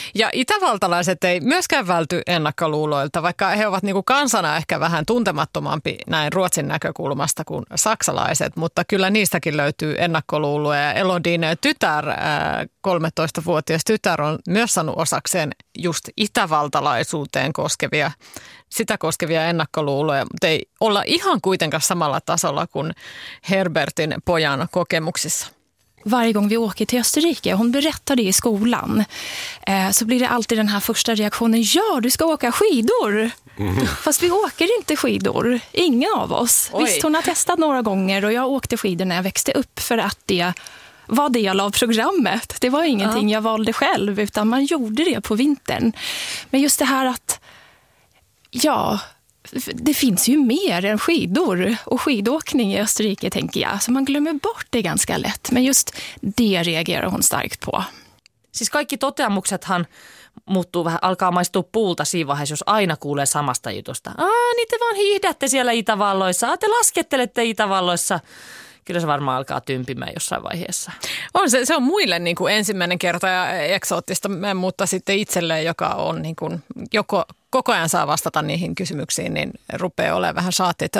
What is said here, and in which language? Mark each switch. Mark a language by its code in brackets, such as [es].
[fi] Ja itävaltalaiset ei myöskään välty ennakkoluuloilta, vaikka he ovat niin kuin kansana ehkä vähän tuntemattomampi näin Ruotsin näkökulmasta kuin saksalaiset, mutta kyllä niistäkin löytyy ennakkoluuloja. Ja Elodin tytär, 13-vuotias tytär, on myös saanut osakseen just itävaltalaisuuteen koskevia ennakkoluuloja, mutta ei olla ihan kuitenkaan samalla tasolla kuin Herbertin pojan kokemuksissa. [sv] Varje gång vi åker till Österrike och hon berättar det i skolan så blir det alltid den här första reaktionen. Ja, du ska åka skidor! Mm. Fast vi åker inte skidor. Ingen av oss. Oj. Visst, hon har testat några gånger och jag åkte skidor när jag växte upp för att det var del av programmet. Det var ingenting jag valde själv utan man gjorde det på vintern. Men just det här att, ja, det finns ju mer än skidor och skidåkning i Österrike, tänker jag. Så man glömmer bort det ganska lätt. Men just det reagerar hon starkt på. [fi] Siis kaikki toteamuksethan muuttuu vähän, alkaa maistua puulta siinä vaiheessa, jos aina kuulee samasta jutusta. Aa, niin te vaan hiihdätte siellä Itävalloissa. Te laskettelette Itävalloissa. Kyllä se varmaan alkaa tympimään jossain vaiheessa. On se, se on muille niin kuin ensimmäinen kerta ja eksoottista, mutta sitten itselleen, joka on niin kuin joko koko ajan saa vastata niihin kysymyksiin, niin rupeaa olemaan vähän saatti.